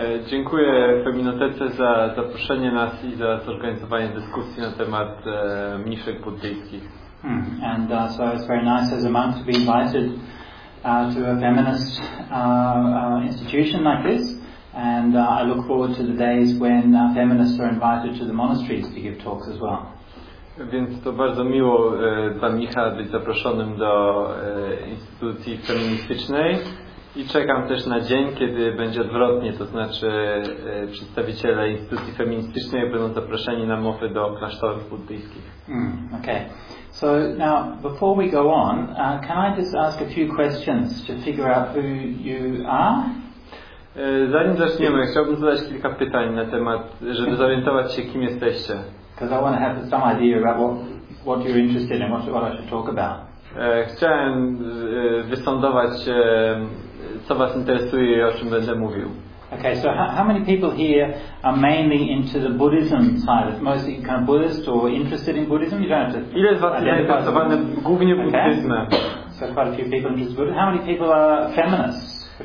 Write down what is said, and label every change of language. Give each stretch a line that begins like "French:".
Polish: Dziękuję Seminotece za zaproszenie nas i za zorganizowanie dyskusji na temat mniszek buddyjskich.
English: So it's very nice as a monk to be invited to a feminist institution like this, and I look forward to the days when feminists are invited to the monasteries to give talks as well.
Polish: Więc to bardzo miło dla Micha być zaproszonym do instytucji feministycznej. I czekam też na dzień, kiedy będzie odwrotnie, to znaczy przedstawiciele instytucji feministycznej będą zaproszeni na mowy do klasztorów buddyjskich.
English: Okay. So now, before we go on, can I just ask a few questions to figure out who you are?
Polish: Zanim zaczniemy, chciałbym zadać kilka pytań na temat, żeby zorientować się, kim jesteście.
English: Because I want to have some idea about what you're interested in, what I should talk about.
Polish: Chciałem wysądować, co was interesuje i o czym będę mówił.
English: Okay, so how many people here are mainly into the Buddhism side? Mostly kind of Buddhist or interested in Buddhism? You don't have to.
Polish: Ile z was jest zainteresowany głównie buddyzmem?
English: Okay. So quite a few people interested in Buddhism. How many people are feminists?